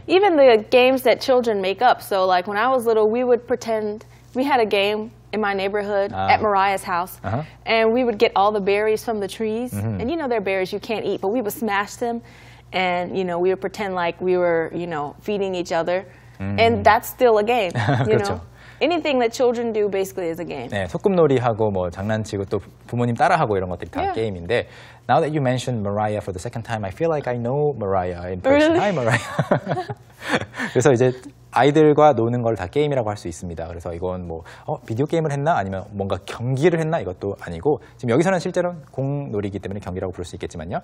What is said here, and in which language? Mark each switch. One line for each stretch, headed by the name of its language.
English: Even the games that children make up. So, like, when I was little, we would pretend we had a game in my neighborhood at Mariah's house, uh-huh. and we would get all the berries from the trees. Mm-hmm. And you know they're berries you can't eat, but we would smash them. And, you know, we would pretend like we were, you know, feeding each other. Mm. And that's still a game, you
Korean: 그렇죠.
English: know. Anything that children do basically is a game.
Korean: 네, 소꿉놀이하고 뭐 장난치고 또 부모님 따라하고 이런 것들이 다 yeah. 게임인데
English: Now that you mentioned Mariah for the second time, I feel like I know Mariah in person. Really? Hi, Mariah.
Korean: 그래서 이제 아이들과 노는 걸 다 게임이라고 할 수 있습니다. 그래서 이건 뭐 비디오 게임을 했나? 아니면 뭔가 경기를 했나? 이것도 아니고 지금 여기서는 실제로 공놀이기 때문에 경기라고 부를 수 있겠지만요.